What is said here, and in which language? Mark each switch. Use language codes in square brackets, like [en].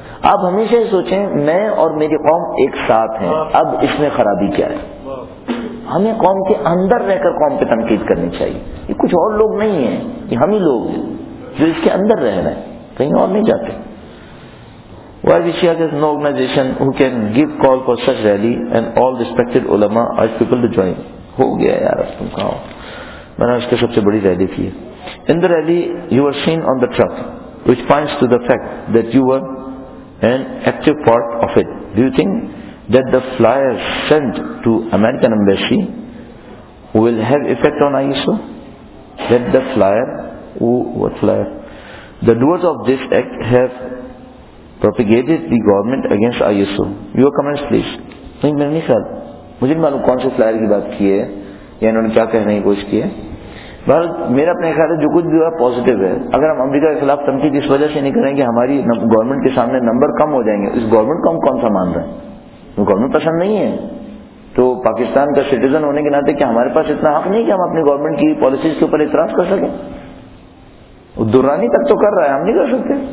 [ur] آپ ہمیشہ یہ سوچیں میں اور میری قوم ایک ساتھ ہیں, اب اس میں خرابی کیا ہے. ہمیں قوم کے اندر رہ کر قوم پہ تنقید کرنی چاہیے, یہ کچھ اور لوگ نہیں ہیں, یہ ہم ہی لوگ ہیں جو اس کے اندر رہ رہے ہیں, کہیں اور نہیں جاتے. [en] Why we see there's no organization who can give call for such rally and all respected ulama urge people to join. [ur] ہو گیا یار اب تم کہو, میں نے اس کے سب سے بڑی ریلی کی. [en] In the rally you were seen on the truck which points to the fact that you were an active part of it. Do you think that the flyers sent to American embassy will have effect on ISO? That the flyer, what flyer? The doers of this act have propagated the government against ISO. Your comments please. No, I don't know. I don't know which flyer has been talking about. Or what they have said. They have said that. [ur] بہرحال میرا اپنا خیال ہے جو کچھ بھی ہوا positive ہے. اگر ہم امریکہ کے خلاف تنقید اس وجہ سے نہیں کریں کہ ہماری گورنمنٹ کے سامنے نمبر کم ہو جائیں گے, اس گورنمنٹ کو ہم کون سا مان رہے ہیں؟ گورنمنٹ پسند نہیں ہے تو پاکستان کا سٹیزن ہونے کے ناطے کیا ہمارے پاس اتنا حق نہیں کہ ہم اپنی گورنمنٹ کی پالیسیز کے اوپر اعتراض کر سکیں؟ وہ دورانی تک تو کر رہا ہے, ہم نہیں کر سکتے.